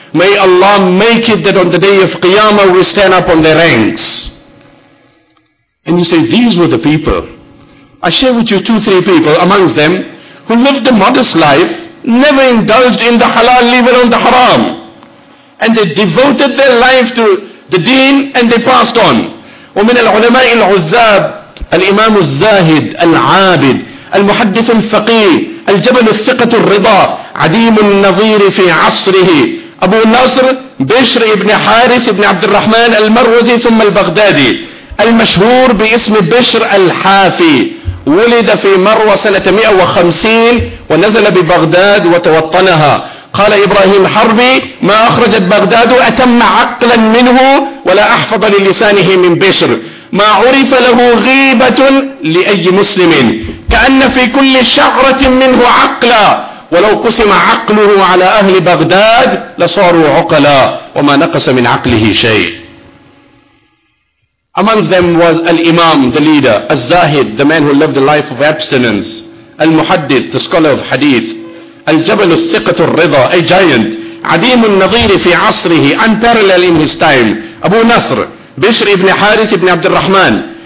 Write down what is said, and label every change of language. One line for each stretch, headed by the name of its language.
English: May Allah make it that on the day of Qiyamah, we stand up on their ranks. And you say, these were the people. I share with you two, three people amongst them who lived a modest life, never indulged in the halal, leaving on the haram. And they devoted their life to the deen and they passed on.
Arabic: ومن العلماء العزاب الإمام الزاهد العابد المحدث الفقيه الجبل الثقة الرضا عديم النظير في عصره أبو نصر بشر ابن حارث ابن عبد الرحمن المروزي ثم البغدادي المشهور باسم بشر الحافي. ولد في مروة سنة 150 ونزل ببغداد وتوطنها. قال إبراهيم حربي ما أخرجت بغداد أتم عقلا منه ولا أحفظ للسانه من بشر ما عرف له غيبة لأي مسلم كأن في كل شعرة منه عقلا ولو قسم عقله على أهل بغداد لصاروا عقلا وما نقص من عقله شيء.
English: Amongst them was al-Imam, the leader, al-Zahid, the man who lived a life of abstinence, al-Muhaddith, the scholar of hadith,
Arabic: الجبل الثقة الرضا,
English: a giant,
Arabic: عديم النظير في عصره,
English: unparalleled in his time, Abu Nasr, Bishr ibn Harith ibn Abd al-Rahman.